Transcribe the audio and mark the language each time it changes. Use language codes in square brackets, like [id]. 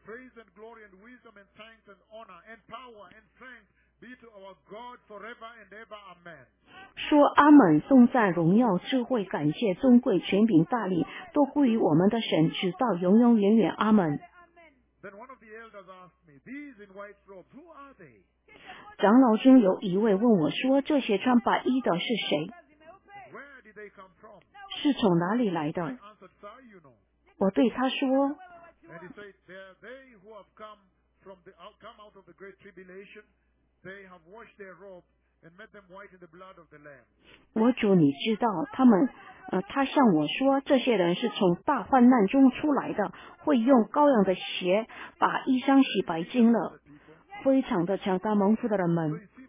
[en] Praise and glory and wisdom and thanks and honor and power and strength be to our God forever and ever. Amen. [zh] 说阿们，颂赞、荣耀、智慧、感谢、尊贵、权柄、大力，都归于我们的神，直到永永远远。阿们。 [en] Then one of the elders asked me, "These in white robes, who are they?" [zh] 长老中有一位问我说，这些穿白衣的是谁？ [en] Where did they come from? [zh] 是从哪里来的？ [en] I answered, "Sir, you know." [zh] 我对他说， [en] And he said, "They are they who have come out of the great tribulation. They have washed their robes and made them white in the blood of the Lamb." [zh] 我主，你知道他们。他向我说，这些人是从大患难中出来的，会用羔羊的血把衣裳洗白净了，非常的强大蒙福的人们。